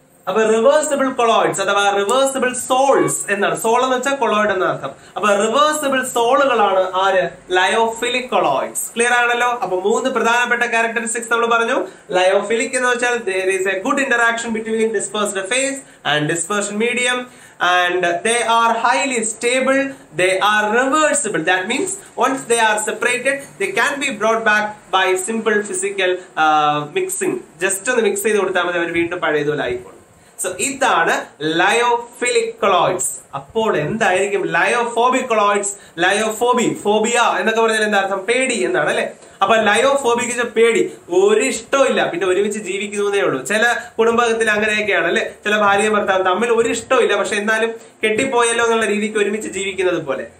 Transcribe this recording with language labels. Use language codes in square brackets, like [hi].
[ml] അപ്പൊ reversible colloids അഥവാ reversible souls എന്നാണ്. സോൾ എന്ന് വെച്ചാൽ കൊളോയിഡ് എന്ന അർത്ഥം. അപ്പൊ റിവേഴ്സിബിൾ സോളുകളാണ് ആര്? Lyophilic colloids. ക്ലിയർ ആണല്ലോ. അപ്പൊ മൂന്ന് പ്രധാനപ്പെട്ട ക്യാരക്ടറിസ്റ്റിക്സ് നമ്മൾ പറഞ്ഞു. [en] lyophilic [ml] എന്ന് വെച്ചാൽ [en] There is a good interaction between dispersed phase and dispersion medium. And they are highly stable, they are reversible. That means once they are separated, they can be brought back by simple physical mixing. Just to mix it, they will be able to mix it. [ml] So, ഇതാണ് lyophilic colloids. അപ്പോൾ എന്തായിരിക്കും lyophobic colloids? ലയോഫോബി, phobia എന്നൊക്കെ പറഞ്ഞാൽ എന്താ അർത്ഥം? പേടി എന്നാണ് അല്ലെ. അപ്പൊ ലയോഫോബിക്ക് പേടി, ഒരിഷ്ടമില്ല, പിന്നെ ഒരുമിച്ച് ജീവിക്കുന്നതേ ഉള്ളൂ. ചില കുടുംബത്തിൽ അങ്ങനെയൊക്കെയാണ് അല്ലെ, ചില ഭാര്യയും ഭർത്താവും തമ്മിൽ ഒരു ഇഷ്ടമില്ല, പക്ഷെ എന്നാലും കെട്ടിപ്പോയല്ലോ എന്നുള്ള രീതിക്ക് ഒരുമിച്ച് ജീവിക്കുന്നത് പോലെ.